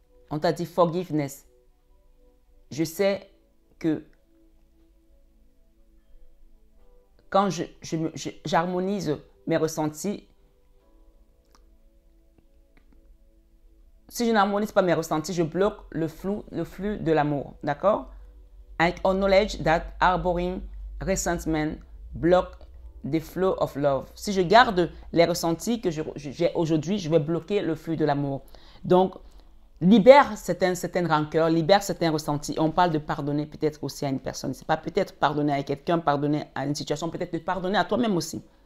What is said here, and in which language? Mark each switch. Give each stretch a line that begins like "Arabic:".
French: On t'a dit « forgiveness ». Je sais que quand j'harmonise mes ressentis, si je n'harmonise pas mes ressentis, je bloque le flux de l'amour. D'accord?
English: I acknowledge that harboring resentment blocks the flow of love.
French: Si je garde les ressentis que j'ai aujourd'hui, je vais bloquer le flux de l'amour. Donc, libère certaines rancœurs, libère certains ressentis. On parle de pardonner peut-être aussi à une personne. C'est pas peut-être pardonner à quelqu'un, pardonner à une situation, peut-être de pardonner à toi-même aussi.